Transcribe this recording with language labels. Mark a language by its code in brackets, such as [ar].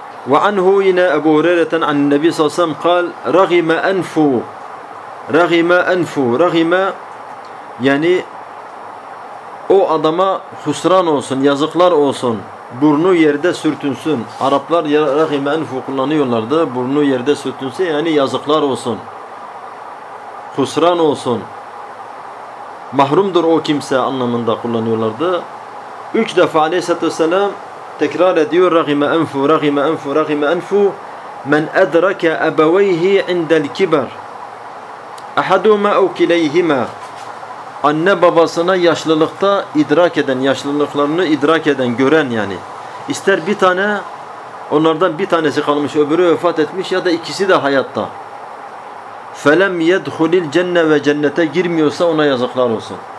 [ar] وعنه [tr] yine Ebu Hureyre'ten an Nebi sallallahu aleyhi ve sellem [ar] قال رغم أنف رغم أنف رغم [tr] yani o adama husran olsun, yazıklar olsun, burnu yerde sürtünsün. Araplar [ar] رغم أنف [tr] kullanıyorlardı. Burnu yerde sürtünse yani yazıklar olsun, husran olsun, mahrumdur o kimse anlamında kullanıyorlardı. Üç defa aleyhissalatü vesselam tekrar ediyor: [ar] رغم أنف رغم أنف رغم أنف من أدرك أبويه عند الكبر أحدهما أو كليهما. [tr] Anne babasına yaşlılıkta idrak eden, yaşlılıklarını idrak eden, gören yani. İster bir tane onlardan bir tanesi kalmış, öbürü vefat etmiş ya da ikisi de hayatta. [ar] فَلَمْ يَدْخُلِ الْجَنَّ وَجَنَّةَ [tr] girmiyorsa ona yazıklar olsun.